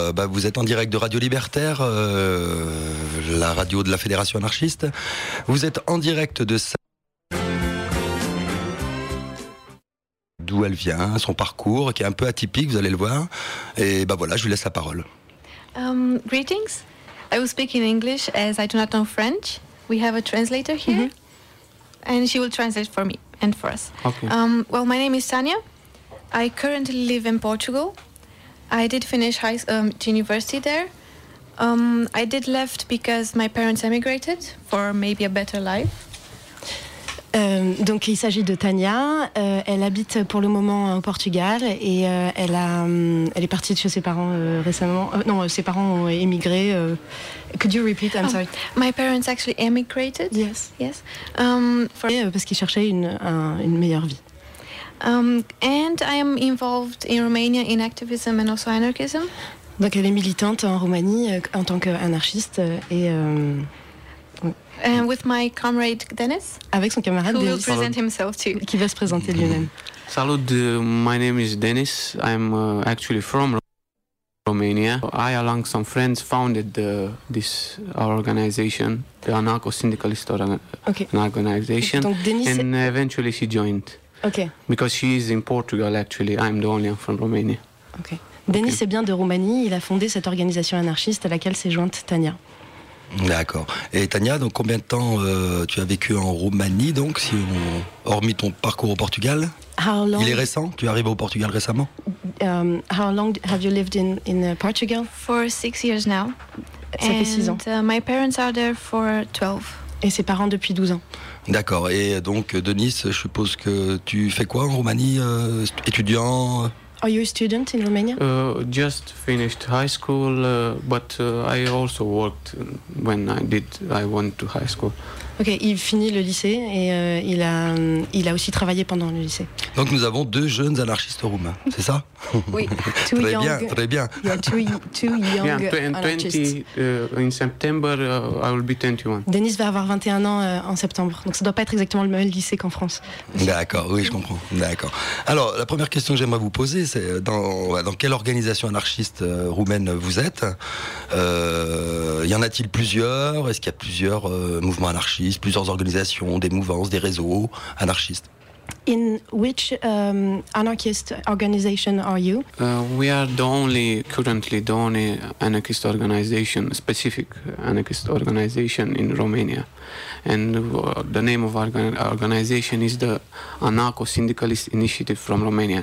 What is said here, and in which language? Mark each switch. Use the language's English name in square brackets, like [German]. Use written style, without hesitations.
[French] Vous êtes en direct de Radio Libertaire, la radio de la Fédération anarchiste. Vous êtes en direct de ça. D'où elle vient, son parcours, qui est un peu atypique, vous allez le voir. Et ben voilà, je vous laisse la parole. [English] Greetings. I will speak in English as I do not know French. We have a translator here. Mm-hmm. And she will translate for me and for us. Okay. Well, my name is Tanya. I currently live in Portugal. I did finish high university there. I did left because my parents emigrated for maybe a better life. [French] Donc il s'agit de Tanya, elle habite pour le moment au Portugal et elle est partie de chez ses parents récemment. Ses parents ont émigré. [English] Could you repeat? I'm sorry. My parents actually emigrated. Yes. Yes. [French] Parce qu'ils cherchaient une meilleure vie. [English] And I am involved in Romania in activism and also anarchism. [French] Donc elle est militante en Roumanie en tant qu'anarchiste et [English] And with my comrade Dennis, [French] avec son camarade [English] who Dennis, will present himself too. [French] Qui va se présenter lui-même. [English] Salut, my name is Dennis. I'm actually from Romania. I, along some friends, founded this organization, the anarcho-syndicalist organization. [French] Okay. Donc Dennis, [English] and eventually she joined. Okay. Because she is in Portugal, actually. I'm the only one from Romania. Okay. [French] Dennis est bien de Roumanie. Il a fondé cette organisation anarchiste à laquelle s'est jointe Tanya. D'accord. Et Tanya, donc combien de temps tu as vécu en Roumanie, donc, si on... hormis ton parcours au Portugal? [English] How long... [French] Il est récent. Tu arrives au Portugal récemment? [English] How long have you lived in Portugal? For 6 years now. [French] Ça fait 6 ans. [English] My parents are there for 12. [French] Et ses parents depuis 12 ans. D'accord. Et donc, Denis, je suppose que tu fais quoi en Roumanie, étudiant? [English] Are you a student in Romania? Just finished high school, but I also worked when I went to high school. [French] Okay, il finit le lycée et il a aussi travaillé pendant le lycée. Donc nous avons deux jeunes anarchistes roumains, c'est ça? Oui, two très young, bien, très bien. [English] Yeah, two young anarchists. In September, I will be 21. [French] Denis va avoir 21 ans en septembre, donc ça ne doit pas être exactement le même lycée qu'en France. D'accord, oui, je comprends. D'accord. Alors, la première question que j'aimerais vous poser, c'est dans quelle organisation anarchiste roumaine vous êtes? Y en a-t-il plusieurs? Est-ce qu'il y a plusieurs mouvements anarchistes? Plusieurs organisations, des mouvances, des réseaux anarchistes. [English] In which anarchist organization are you? We are the only, currently the only anarchist organization, specific anarchist organization in Romania. And the name of our organization is the Anarcho-Syndicalist Initiative from Romania.